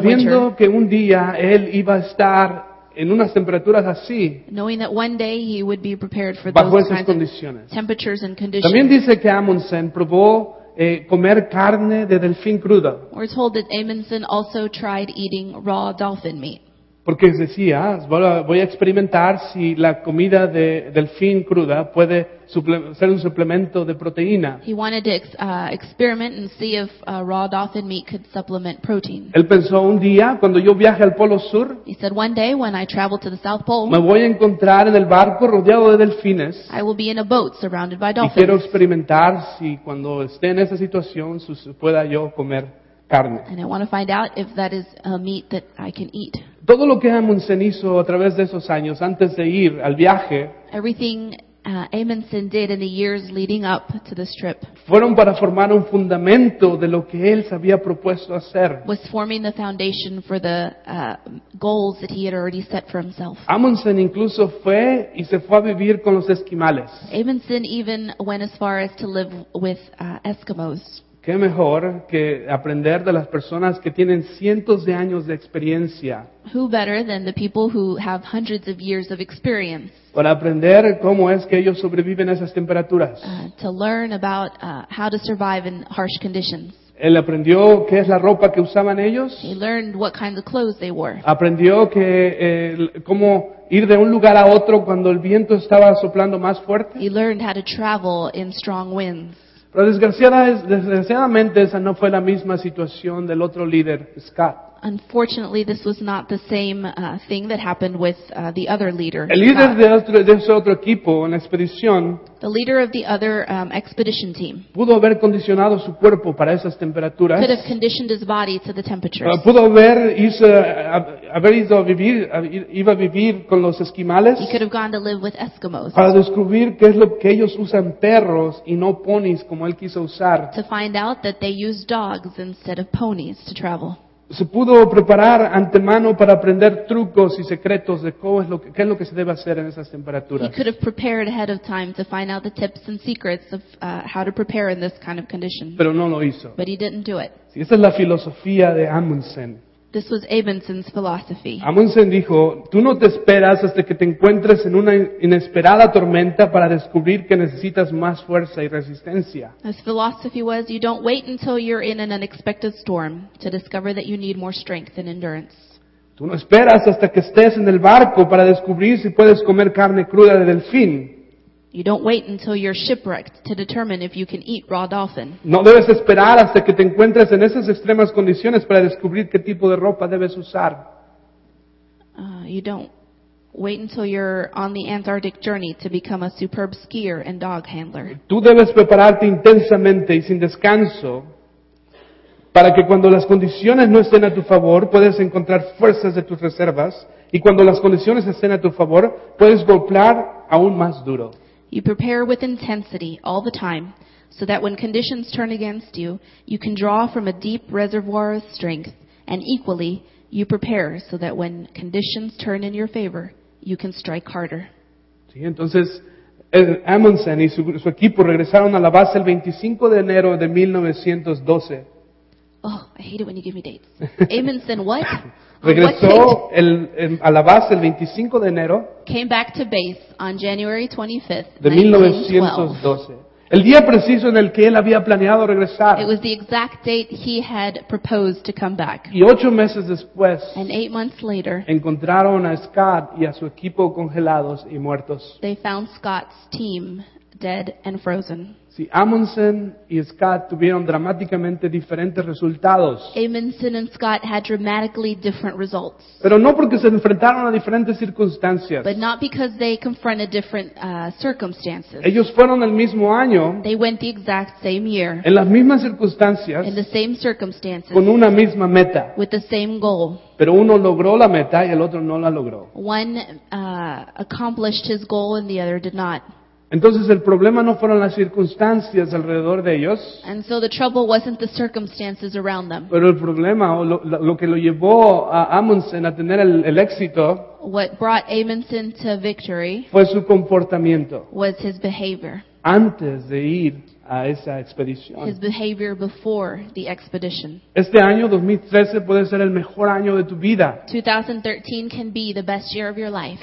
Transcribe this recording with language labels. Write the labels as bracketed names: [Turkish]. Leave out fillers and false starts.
[Spanish] Sabiendo que un día él iba a estar en unas temperaturas así. [English] Knowing that one day he would be prepared for [Spanish] bajo [English] those [Spanish] esas [English] kinds [Spanish] condiciones. [English] Of temperatures and conditions. [Spanish] También dice que Amundsen probó comer carne de delfín cruda. [English] We're told that Amundsen also tried eating raw dolphin meat. [Spanish] Porque decía, voy a experimentar si la comida de delfín cruda puede ser un suplemento de proteína. [English] He wanted to experiment and see if raw dolphin meat could supplement protein. [Spanish] Él pensó un día, cuando yo viaje al Polo Sur, [English] he said, one day when I travel to the South Pole, [Spanish] me voy a encontrar en el barco rodeado de delfines. [English] I will be in a boat surrounded by dolphins. [Spanish] Y quiero experimentar si cuando esté en esa situación pueda yo comer carne. [English] And I want to find out if that is a meat that I can eat. [Spanish] Todo lo que Amundsen hizo a través de esos años antes de ir al viaje, [English] everything Amundsen did in the years leading up to this trip, [Spanish] fueron para formar un fundamento de lo que él se había propuesto hacer. [English] Was forming the foundation for the goals that he had already set for himself. [Spanish] Amundsen incluso fue y se fue a vivir con los esquimales. [English] Amundsen even went as far as to live with Eskimos. [Spanish] ¿Qué mejor que aprender de las personas que tienen cientos de años de experiencia? [English] Who better than the people who have hundreds of years of experience? [Spanish] Para aprender cómo es que ellos sobreviven a esas temperaturas. [English] To learn about how to survive in harsh conditions. [Spanish] Él aprendió qué es la ropa que usaban ellos. [English] He learned what kinds of clothes they wore. [Spanish] Aprendió que cómo ir de un lugar a otro cuando el viento estaba soplando más fuerte. [English] He learned how to travel in strong winds. [Spanish] Pero desgraciadamente esa no fue la misma situación del otro líder, Scott. [English] Unfortunately, this was not the same thing that happened with the other leader. [Spanish] El líder de ese otro equipo en la expedición, [English] the leader of the other expedition team, [Spanish] pudo haber condicionado su cuerpo para esas temperaturas. [English] Could have conditioned his body to the temperatures. [Spanish] Pudo haber ido a vivir con los esquimales. [English] He could have gone to live with Eskimos. [Spanish] Para descubrir qué es lo que ellos usan perros y no ponis como él quiso usar. [English] To find out that they use dogs instead of ponies to travel. [Spanish] Se pudo preparar antemano para aprender trucos y secretos de qué es lo que se debe hacer en esas temperaturas. [English] He could have prepared ahead of time to find out the tips and secrets of how to prepare in this kind of condition. [Spanish] Pero no lo hizo. [English] But he didn't do it. [Spanish] Sí, esa es la filosofía de Amundsen. [English] This was Amundsen's philosophy. [Spanish] Amundsen dijo, tú no te esperas hasta que te encuentres en una inesperada tormenta para descubrir que necesitas más fuerza y resistencia. [English] His philosophy was, you don't wait until you're in an unexpected storm to discover that you need more strength and endurance. [Spanish] Tú no esperas hasta que estés en el barco para descubrir si puedes comer carne cruda de delfín. [English] You don't wait until you're shipwrecked to determine if you can eat raw dolphin. [Spanish] No debes esperar hasta que te encuentres en esas extremas condiciones para descubrir qué tipo de ropa debes usar. [English] You don't wait until you're on the Antarctic journey to become a superb skier and dog handler. [Spanish] Tú debes prepararte intensamente y sin descanso para que cuando las condiciones no estén a tu favor, puedas encontrar fuerzas de tus reservas y cuando las condiciones estén a tu favor, puedes golpear aún más duro. [English] You prepare with intensity all the time so that when conditions turn against you, you can draw from a deep reservoir of strength, and equally, you prepare so that when conditions turn in your favor, you can strike harder. [Spanish] Sí, entonces, Amundsen y su equipo regresaron a la base el 25 de enero de 1912. [English] Oh, I hate it when you give me dates. Amundsen, what? [Spanish] Regresó a la base el 25 de enero. [English] Came back to base on January 25th, 1912. [Spanish] El día preciso en el que él había planeado regresar. [English] It was the exact date he had proposed to come back. [Spanish] Y 8 meses después. [English] And 8 months later. [Spanish] Encontraron a Scott y a su equipo congelados y muertos. [English] They found Scott's team dead and frozen. [Spanish] Si Amundsen y Scott tuvieron dramáticamente diferentes resultados. [English] Amundsen and Scott had dramatically different results. [Spanish] Pero no porque se enfrentaron a diferentes circunstancias. [English] But not because they confronted different circumstances. [Spanish] Ellos fueron el mismo año. [English] They went the exact same year. [Spanish] En las mismas circunstancias. [English] In the same circumstances. [Spanish] Con una misma meta. [English] With the same goal. [Spanish] Pero uno logró la meta y el otro no la logró. [English] One accomplished his goal and the other did not. [Spanish] Entonces el problema no fueron las circunstancias alrededor de ellos. [English] And so the trouble wasn't the circumstances around them. [Spanish] Pero el problema o lo que lo llevó a Amundsen a tener el éxito. [English] What brought Amundsen to victory. [Spanish] Fue su comportamiento. [English] Was his behavior. [Spanish] Antes de ir a esa expedición. [English] His behavior before the expedition. [Spanish] Este año 2013 puede ser el mejor año de tu vida. [English] 2013 can be the best year of your life.